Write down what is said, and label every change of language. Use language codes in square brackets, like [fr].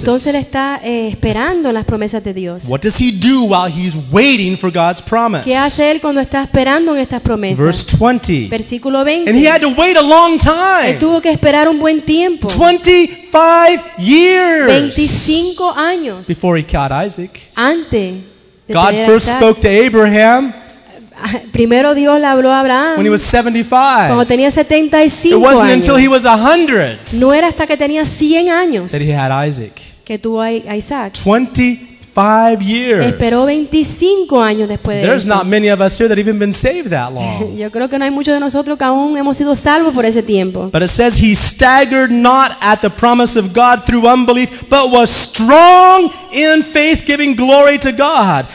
[es] Entonces él está esperando las promesas de Dios. [en] What does he do while he's waiting for God's promise? [es] ¿Qué hace él cuando está esperando en estas promesas? [en] Verse 20. [es] Versículo 20. [en] And he had to wait a long time. [es] Él tuvo que esperar un buen tiempo. [en] 25 years. [es] 25 años. [en] Before he caught Isaac. [es] Antes. [en] God first spoke to Abraham. [es] Primero Dios le habló a Abraham. [en] When he was 75. [es] Cuando tenía 75 años. [en] It wasn't until he was 100. [es] No era hasta que tenía 100 años. [en] That he had Isaac. [es] Que tuvo a Isaac. [en] 25 25 years. [es] Esperó 25 años después de [en] There's [es] esto. [en] Not many of us here that even been saved that long. [es] Yo creo que no hay muchos de nosotros que aún hemos sido salvos por ese tiempo. [en] But it says he staggered not at the promise of God through unbelief, but was strong in faith, giving glory to God.